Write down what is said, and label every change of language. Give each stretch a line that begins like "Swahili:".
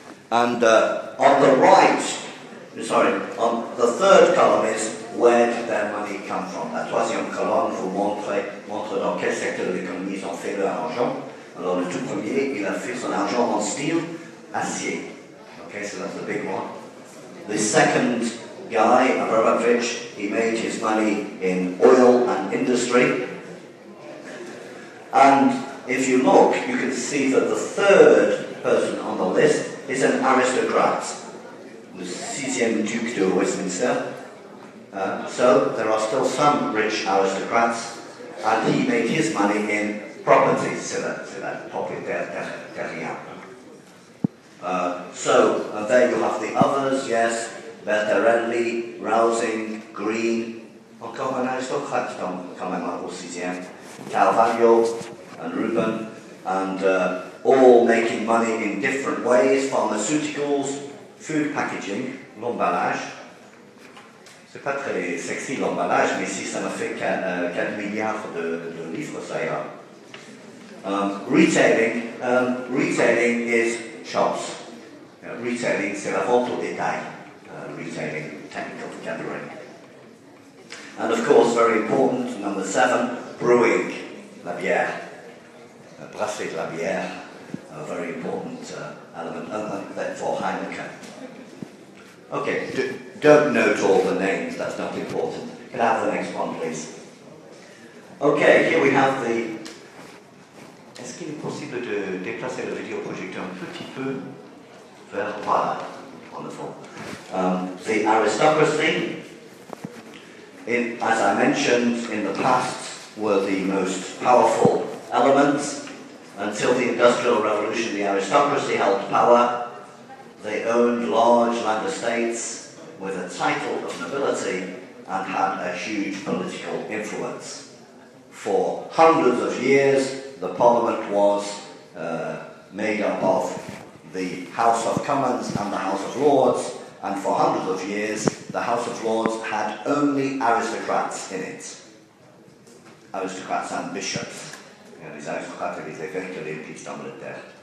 English: And on the right, sorry, on the third column is where did their money come from?
French: La troisième colonne vous montre dans quel secteur de l'économie ils ont fait leur argent. Alors le tout premier, il a fait son argent en steel, acier.
English: Okay, so that's the big one. The second guy, Abramovich, he made his money in oil and industry. And if you look, you can see that the third person on the list is an aristocrat. The sixième duc de Westminster. So there are still some rich aristocrats, and he made his money in property. So there you have the others, yes.
French: Bertarelli, Rousing, Green. Encore un aristocrat, quand même, au sixième.
English: Calvario and Rubin, and all making money in different ways, pharmaceuticals, food packaging, l'emballage.
French: C'est pas très sexy l'emballage, mais si ça m'a fait 4 milliards de livres, ça ira.
English: Retailing is shops.
French: Retailing, c'est la vente au détail. Retailing,
English: technical vocabulary. And of course, very important, number 7, brewing,
French: la bière. Brasser de la bière,
English: a very important element for Heineken. Okay, don't note all the names, that's not important. Can I have the next one, please? Okay, here we have the...
French: Est-ce qu'il est possible de déplacer le vidéoprojecteur un petit peu vers... Voilà, wonderful.
English: The aristocracy, as I mentioned in the past, were the most powerful elements. Until the Industrial Revolution, the aristocracy held power. They owned large land estates with a title of nobility and had a huge political influence. For hundreds of years, the Parliament was made up of the House of Commons and the House of Lords, and for hundreds of years, the House of Lords had only aristocrats in it. Aristocrats and bishops.
French: Les aristocrates et les évêques de l'Église d'Angleterre.